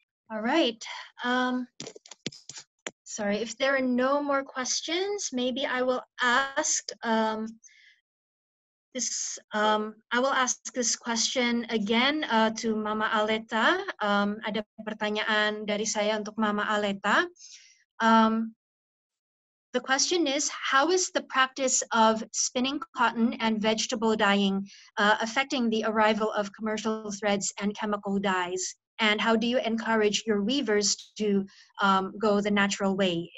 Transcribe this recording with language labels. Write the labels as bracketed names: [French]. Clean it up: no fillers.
[English] All right. Sorry, if there are no more questions, maybe I will ask this question again to Mama Aleta. [Indonesian] Ada pertanyaan dari saya untuk Mama Aleta. [English] The question is, how is the practice of spinning cotton and vegetable dyeing affecting the arrival of commercial threads and chemical dyes? And how do you encourage your weavers to go the natural way?